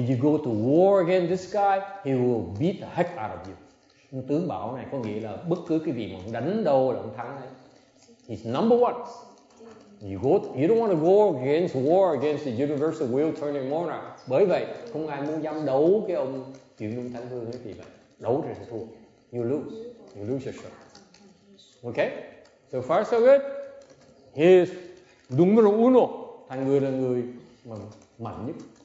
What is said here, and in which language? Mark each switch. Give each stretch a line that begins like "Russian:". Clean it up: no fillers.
English: If you go to war against this guy, he will beat the heck out of you.
Vietnamese: Tướng bảo này có nghĩa là bất cứ cái gì mà đánh đâu là ông thắng đấy.
English: He's number one. You don't want to go against war against the universal will turning monarch.
Vietnamese: Bởi vậy không ai muốn dám đấu cái ông Triệu Lương Thánh Vương cái gì vậy. Đấu rồi sẽ thua.
English: You lose your shirt. Okay. So far so good. He is number uno.
Vietnamese: Thành người là người mà mạnh nhất.